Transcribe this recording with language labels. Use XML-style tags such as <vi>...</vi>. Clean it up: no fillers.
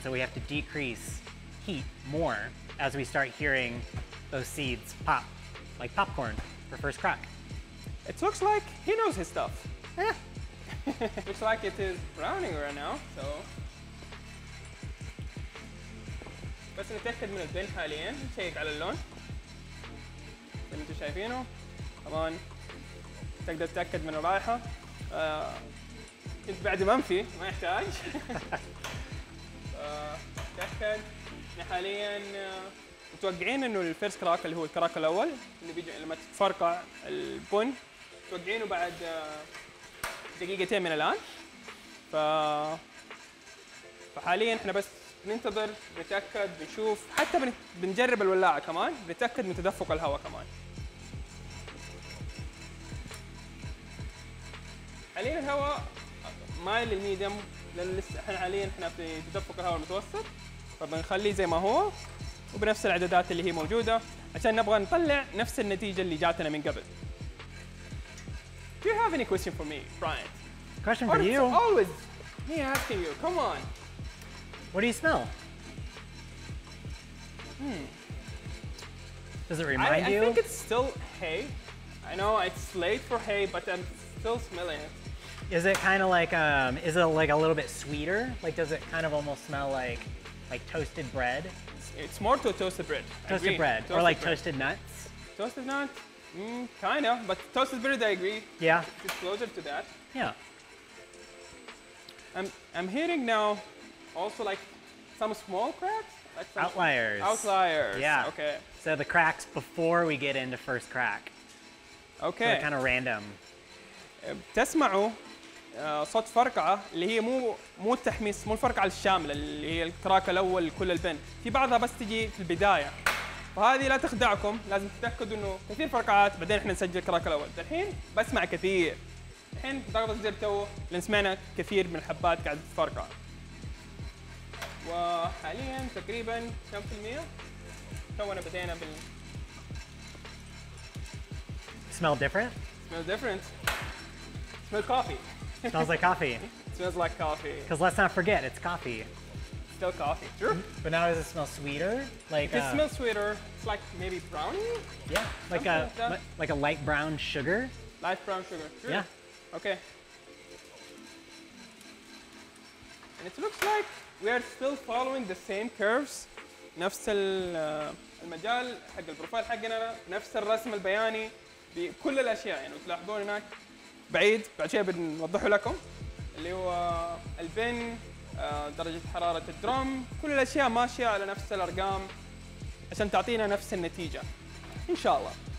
<en>So we have to decrease heat more as we start hearing those seeds pop, like popcorn for first crack. It looks like he knows his stuff. Yeah. Looks like it is browning right now, so.</en> <ar>بس نتأكد من البن حاليا، نشيك على اللون. زي ما انتم شايفينه، كمان تقدر تتأكد من الرائحة. كنت بعد ما امشي ما يحتاج. تأكد ان حاليا متوقعين انه الفيرست كراك اللي هو الكراك الاول اللي بيجي لما تفرقع البن متوقعينه بعد دقيقتين من الان. فحاليا احنا بس ننتظر نتاكد نشوف حتى بنجرب الولاعه كمان نتاكد من تدفق الهواء كمان. حاليا الهواء مايل للميديم لان لسه احنا حاليا احنا في تدفق الهواء المتوسط فبنخليه زي ما هو وبنفس الاعدادات اللي هي موجوده عشان نبغى نطلع نفس النتيجه اللي جاتنا من قبل.</ar> <en>Do you have any question for me, Brian? Question for you? Always me asking you. Come on. What do you smell? Does it remind you? I think it's still hay. I know it's late for hay, but I'm still smelling it. Is it kind of like is it like a little bit sweeter? Like does it kind of almost smell like toasted bread? It's more to toasted bread. Toasted bread toasted or like bread. Toasted nuts? Toasted nuts? Kind of, but toasted bread, I agree. Yeah. It's closer to that. Yeah. I'm hearing now also like some small cracks? Like some outliers. Outliers. Yeah. Okay. So the cracks before we get into first crack. Okay. So kind of random.</en> <ar>تسمعوا صوت فرقعة اللي هي مو التحميص مو الفرقعة الشاملة اللي هي التراك الأول لكل البن في بعضها بس تجي في البداية فهذه لا تخدعكم لازم تتأكدوا إنه كثير فرقعات بعدين إحنا نسجل التراك الأول الحين بسمع كثير الحين ضغط الزر تو لأن سمعنا كثير من الحبات قاعدة تفرقع وحاليا تقريبا كم في المية تونا بدينا بال</ar> <en>smell different Smell coffee. Smells like coffee. Smells like coffee. Because let's not forget, it's coffee. Still coffee, sure. But now does it smell sweeter? Like if it smells sweeter, it's like maybe brownie? Yeah, like a light brown sugar. Light brown sugar, sure. Yeah. Okay. And it looks like we are still following the same curves.</en> <ar>نفس المجال حق البروفايل حقنا نفس الرسم البياني بكل الأشياء يعني وتلاحظون هناك بعيد بعد شوية بنوضحه لكم اللي هو البن درجة حرارة الدروم كل الأشياء ماشية على نفس الأرقام عشان تعطينا نفس النتيجة إن شاء الله.</ar>